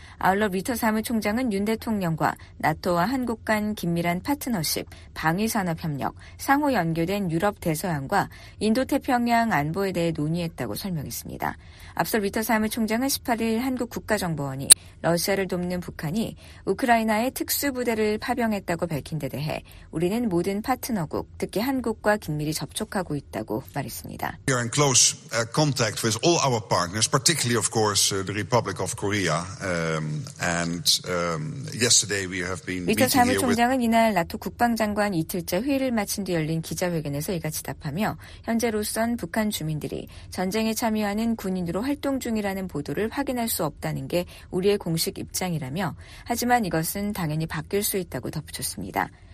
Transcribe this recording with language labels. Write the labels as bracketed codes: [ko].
[ko] 아울러 리터 사무총장은 윤 대통령과 나토와 한국 간 긴밀한 파트너십, 방위산업협력, 상호 연결된 유럽 대서양과 인도태평양 안보에 대해 논의했다고 설명했습니다. 앞서 리터 사무총장은 18일 한국 국가정보원이 러시아를 돕는 북한이 우크라이나에 특수부대를 파병했다고 밝힌 데 대해 우리는 모든 파트너국, 특히 한국과 긴밀히 접촉하고 있다고 말했습니다. [en] We are in close contact with all our partners, particularly of course the Republic of Korea. Yesterday we have been [ko] 리터 사무총장은 이날 나토 국방장관 이틀째 회의를 마친 뒤 열린 기자회견에서 이같이 답하며 현재로선 북한 주민들이 전쟁에 참여하는 군인으로 활동 중이라는 보도를 확인할 수 없다는 게 우리의 공식 입장이라며 하지만 이것은 당연히 바뀔 수 있다고 덧붙였습니다.